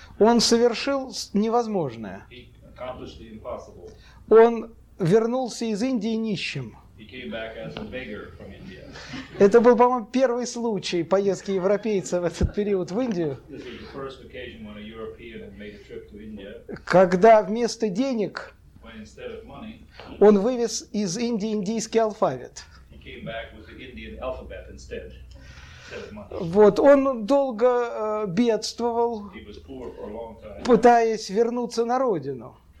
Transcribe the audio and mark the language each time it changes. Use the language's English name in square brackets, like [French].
[Russian] Он совершил невозможное. [English] He accomplished the impossible. [Russian] Он вернулся из Индии нищим. [English] He came back as a beggar from India. [Russian] Это был, по-моему, первый случай поездки европейца в этот период в Индию. [English] This was the first occasion when a European had made a trip to India. [Russian] Когда вместо денег [English] when instead of money, [Russian] он вывез из Индии индийский алфавит. [English] He came back with the Indian alphabet instead. [Russian] Вот, он долго бедствовал, пытаясь вернуться на родину.